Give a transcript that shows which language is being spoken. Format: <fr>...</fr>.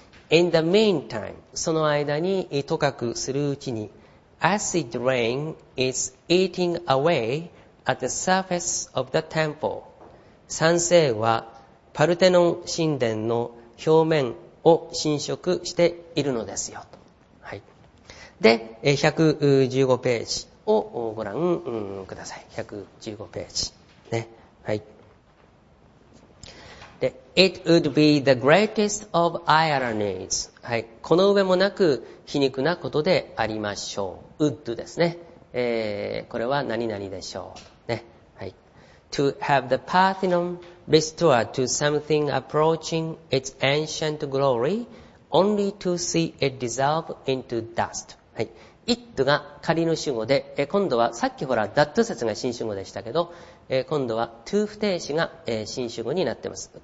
<en>in the meantime</en> <ja>その間にとかくするうちに</ja> <en>Acid rain is eating away at the surface of the temple.</en> <ja>酸性はパルテノン神殿の表面を侵食しているのですよ。はい。で、115ページをご覧ください。 115ページ。ね。はい。</ja> <en>で、It would be the greatest of ironies.</en> <ja>はい、この上もなく皮肉なことでありましょう。ウッドですね、これは何々でしょう、ねはい、</ja> <en>To have the Parthenon restored to something approaching its ancient glory only to see it dissolve into dust、</en> <ja>はい、イッドが仮の主語で、今度はさっきほらダット説が新主語でしたけど、今度はトゥー不定詞が、新主語になっています。</ja>